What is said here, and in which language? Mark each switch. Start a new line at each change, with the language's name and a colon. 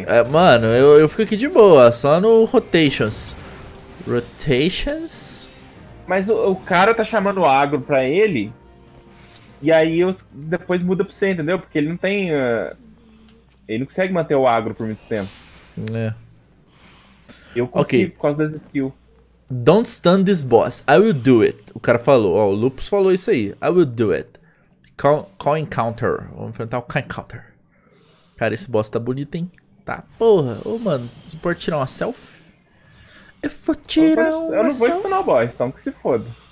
Portuguese: Mano, eu fico aqui de boa, só no Rotations. Rotations? Mas o cara tá chamando o agro pra ele, e aí depois muda pra você, entendeu? Porque ele não tem... ele não consegue manter o agro por muito tempo. É. Eu consigo, okay. Por causa das skills.
English: Don't stun this boss, I will do it.
Portuguese: O cara falou, ó, o Lupus falou isso aí.
English: I will do it. Call encounter,
Portuguese: vamos enfrentar o
English: call encounter.
Portuguese: Cara, esse boss tá bonito, hein? Tá, porra. Ô, mano, você pode tirar uma selfie? Eu não vou stunar o boss, então que se foda.